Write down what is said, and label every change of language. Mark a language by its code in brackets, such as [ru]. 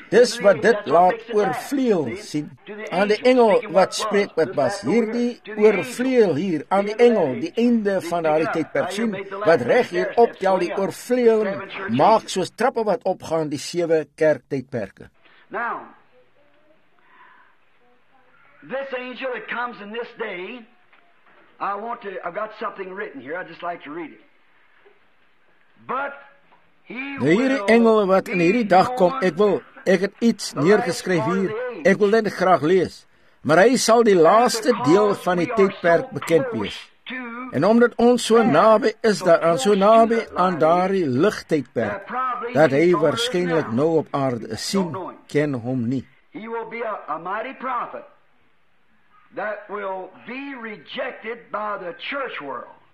[af] Dis wat dit laat oorvleel, sien, aan die engel wat spreek wat was, hierdie oorvleel hier, aan die engel, die einde van die tydperk, sien, wat reg hier optel, die oorvleeling, maak soos trappe wat opgaan, die sewe kerk tydperke. [en] Now, this angel that comes in this day, I've got something written here, I'd just like to read it. But he [af] hierdie engel wat in hierdie dag kom, ek het iets neergeskryf hier, ek wil dit graag lees, maar hy sal die laaste deel van die tydperk bekend wees. En omdat ons so nabij is daaraan, so nabij aan daardie ligtydperk, dat hy waarschijnlijk nou op aarde is, sien, ken hom nie. [en] He will be a mighty prophet that will be rejected by the church world.